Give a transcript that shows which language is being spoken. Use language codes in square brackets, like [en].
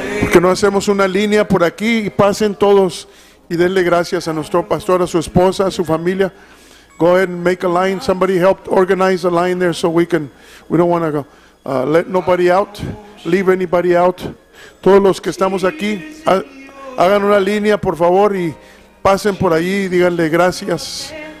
[es] Que no hacemos una línea por aquí y pasen todos y denle gracias a nuestro pastor, a su esposa, a su familia. [en] Go ahead and make a line. Somebody help organize a line there so we can, we don't want to go. Let nobody out. Leave anybody out. [es] Todos los que estamos aquí, hagan una línea por favor y pasen por allí y díganle gracias.